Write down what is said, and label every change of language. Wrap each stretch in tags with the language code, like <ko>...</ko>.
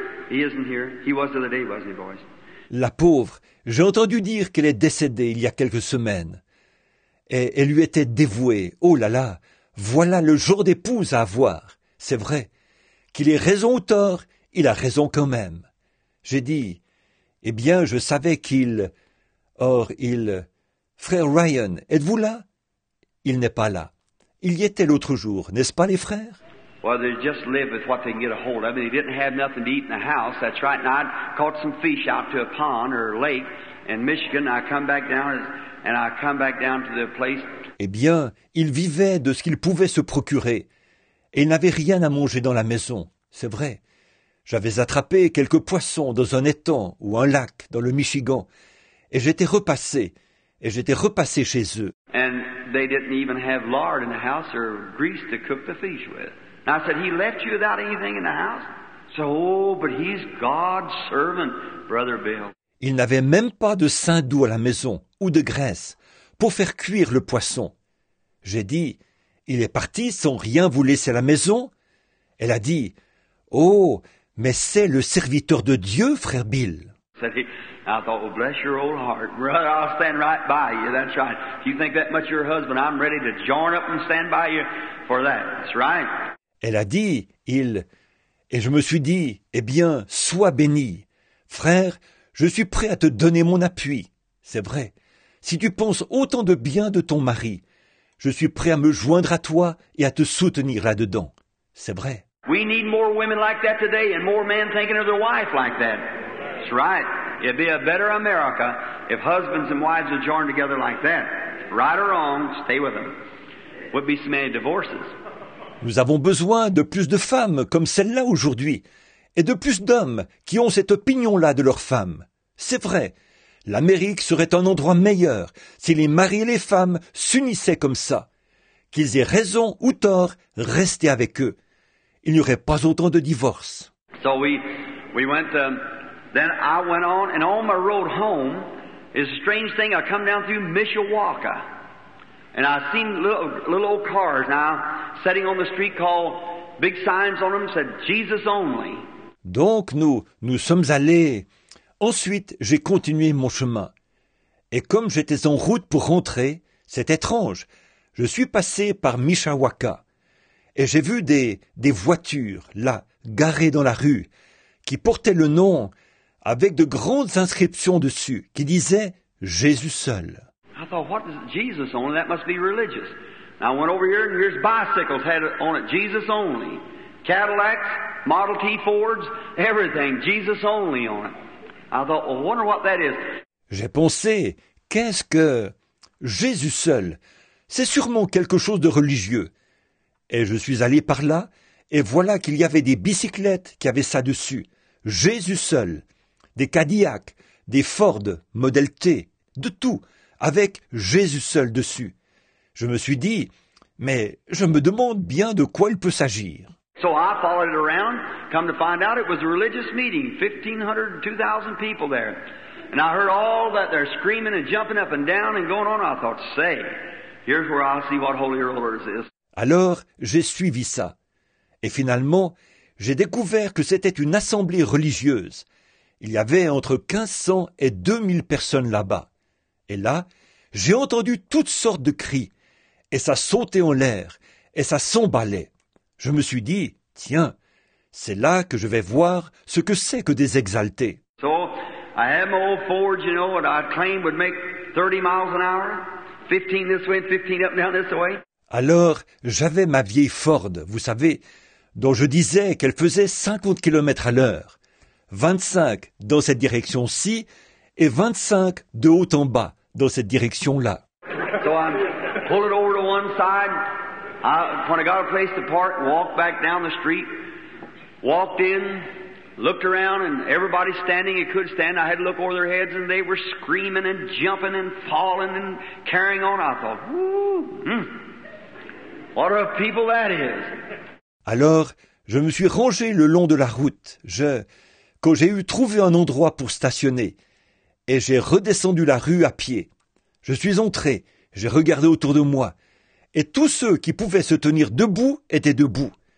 <en>He isn't here. He was the other day, wasn't he, boys?</en> <fr>La pauvre, j'ai entendu dire qu'elle est décédée il y a quelques semaines. Et elle lui était dévouée. Oh là là, voilà le genre d'épouse à avoir. C'est vrai. Qu'il ait raison ou tort, il a raison quand même. J'ai dit, eh bien, je savais qu'il... Or, il... Frère Ryan, êtes-vous là? Il n'est pas là. Il y était l'autre jour, n'est-ce pas, les frères?</fr> <en>Well, they just live with what they can get a hold of. They didn't have nothing to eat in the house, that's right. And I caught some fish out to a pond or a lake, in Michigan, I come back down and I come back down to the place.</en> <fr>Eh bien, il vivait de ce qu'il pouvait se procurer et il n'avait rien à manger dans la maison, c'est vrai. J'avais attrapé quelques poissons dans un étang ou un lac dans le Michigan et j'étais repassé chez eux.</fr> <en>And they didn't even have lard in the house or grease to cook the fish with. And I said, he left you without anything in the house? So, oh, but he's God's servant, Brother Bill.</en> <fr>Il n'avait même pas de sein doux à la maison ou de graisse pour faire cuire le poisson. J'ai dit, il est parti sans rien vous laisser à la maison? Elle a dit, oh, mais c'est le serviteur de Dieu, frère Bill.</fr> <en>I thought, well, bless your old heart, brother, I'll stand right by you, that's right. If you think that much of your husband, I'm ready to join up and stand by you for that, that's right.</en> <fr>Elle a dit, il, et je me suis dit, eh bien, sois béni. Frère, je suis prêt à te donner mon appui, c'est vrai. Si tu penses autant de bien de ton mari, je suis prêt à me joindre à toi et à te soutenir là-dedans, c'est vrai.</fr> <en>We need more women like that today and more men thinking of their wife like that, that's right. It'd be a better America if husbands and wives are joined together like that. Right or wrong, stay with them. Would be so many divorces.</en> <fr>Nous avons besoin de plus de femmes comme celle-là aujourd'hui et de plus d'hommes qui ont cette opinion-là de leur femme. C'est vrai, l'Amérique serait un endroit meilleur si les maris et les femmes s'unissaient comme ça. Qu'ils aient raison ou tort, restez avec eux. Il n'y aurait pas autant de divorces.</fr> <en>So we went to... Then I went on, and on my road home, it's a strange thing, I come down through Mishawaka, and I seen little old cars now, sitting on the street called, big signs on them said, Jesus only.</en> <fr>Donc nous sommes allés, ensuite j'ai continué mon chemin, et comme j'étais en route pour rentrer, c'est étrange, je suis passé par Mishawaka, et j'ai vu des voitures, là, garées dans la rue, qui portaient le nom... avec de grandes inscriptions dessus qui disaient « Jésus seul ».</fr> <en>I thought, what is Jesus only? That must be religious. And I went over here and here's bicycles had on it, Jesus only. Cadillacs, Model T Fords, everything, Jesus only on it. I thought, I wonder what that is.</en> <fr>J'ai pensé, qu'est-ce que Jésus seul? C'est sûrement quelque chose de religieux. Et je suis allé par là et voilà qu'il y avait des bicyclettes qui avaient ça dessus, « Jésus seul ». Des Cadillac, des Ford, Model T, de tout, avec Jésus seul dessus. Je me suis dit, mais je me demande bien de quoi il peut s'agir.</fr> <en>So I followed it around, come to find out it was a religious meeting, 1,500, 2,000 people there. And I heard all that they're screaming and jumping up and down and going on. I thought, say, here's where I'll see what Holy Rollers is.</en> <fr>Alors, j'ai suivi ça. Et finalement, j'ai découvert que c'était une assemblée religieuse. Il y avait entre 1,500 et 2,000 personnes là-bas. Et là, j'ai entendu toutes sortes de cris. Et ça sautait en l'air. Et ça s'emballait. Je me suis dit, tiens, c'est là que je vais voir ce que c'est que des exaltés.</fr> <en>So, I had my old Ford, you know, that I claimed would make 30 miles an hour. 15 this way, 15 up and down this way.</en> <fr>Alors, j'avais ma vieille Ford, vous savez, dont je disais qu'elle faisait 50 km à l'heure. 25 dans cette direction-ci et 25 de haut en bas dans cette direction-là.</fr> <en>So I pulled it over to one side. When I got a place to park, walked back down the street, walked in, looked around, and everybody standing, it could stand. I had to look over their heads, and they were screaming and jumping and falling and carrying on. I thought, what a people that is.</en> <fr>Alors, je me suis rangé le long de la route. Quand j'ai eu trouvé un endroit pour stationner et j'ai redescendu la rue à pied, je suis entré, j'ai regardé autour de moi et tous ceux qui pouvaient se tenir debout étaient debout.</fr>